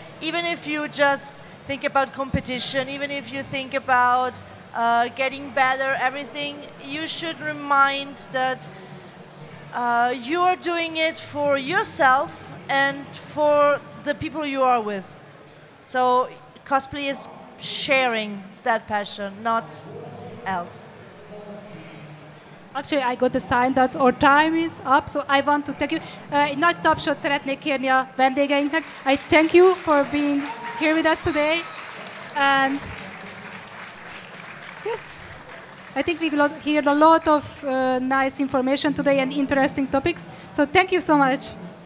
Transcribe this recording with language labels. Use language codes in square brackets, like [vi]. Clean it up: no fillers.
[en] Even if you just think about competition, even if you think about getting better, everything, you should remind that you are doing it for yourself and for the people you are with. So cosplay is sharing that passion, not else. Actually, I got the sign that our time is up, so I want to thank you. [hu] Nagy tapsot szeretnék kérni a vendégeinknek. [en] I thank you for being here with us today, and yes, I think we heard a lot of nice information today and interesting topics, so thank you so much.